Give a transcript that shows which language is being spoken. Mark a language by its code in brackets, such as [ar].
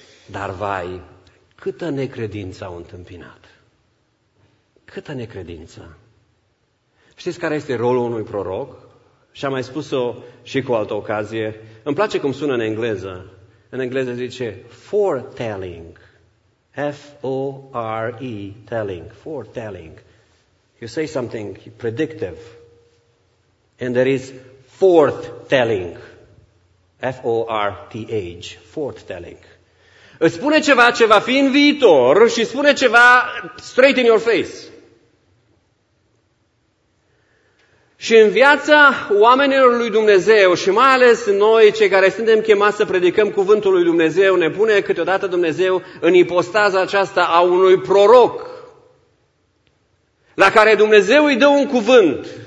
[ro] Dar vai, câtă necredință au întâmpinat! Câtă necredință! Știți care este rolul unui proroc? Și am mai spus-o și cu altă ocazie. Îmi place cum sună în engleză. În engleză zice foretelling. [en] F-O-R-E, telling. Foretelling. You say something predictive. And there is foretelling. F-O-R-T-H. Foretelling. [ro] Îți spune ceva ce va fi în viitor și spune ceva [en] straight in your face. [ro] Și în viața oamenilor lui Dumnezeu și mai ales noi, cei care suntem chemați să predicăm cuvântul lui Dumnezeu, ne pune câteodată Dumnezeu în ipostaza aceasta a unui proroc la care Dumnezeu îi dă un cuvânt.